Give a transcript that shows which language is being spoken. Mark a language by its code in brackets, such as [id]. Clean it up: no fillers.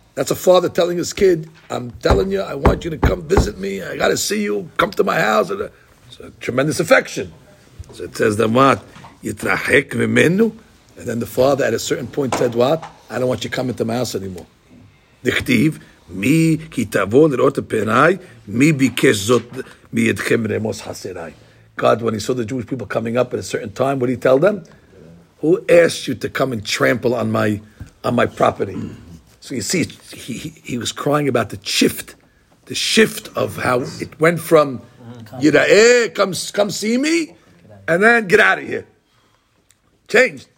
[en] That's a father telling his kid, I'm telling you, I want you to come visit me. I got to see you. Come to my house. It's a tremendous affection. So it says, then what? [he] יתרחק ממנו? [en] And then the father at a certain point said, what? I don't want you coming to my house anymore. דכתיב, [he] מי כי תבוא לראות פניי, מי ביקש זאת מידכם רמוס חסרי. [en] God, when he saw the Jewish people coming up at a certain time, what did he tell them? Who asked you to come and trample on my property? So you see, he was crying about the shift of how it went from Yira'eh, come see me, and then get out of here. Changed.